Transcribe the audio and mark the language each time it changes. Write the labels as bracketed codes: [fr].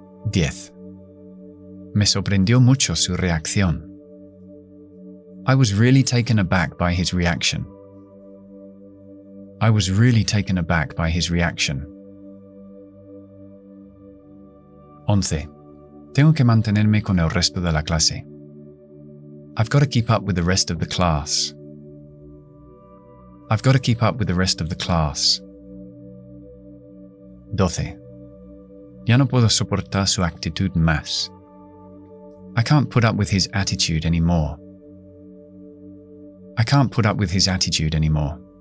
[es] 10. Me sorprendió mucho su reacción. [en] I was really taken aback by his reaction. I was really taken aback by his reaction. 11. [es] Tengo que mantenerme con el resto de la clase. [en] I've got to keep up with the rest of the class. I've got to keep up with the rest of the class. [es] 12. Ya no puedo soportar su actitud más. [en] I can't put up with his attitude anymore. I can't put up with his attitude anymore.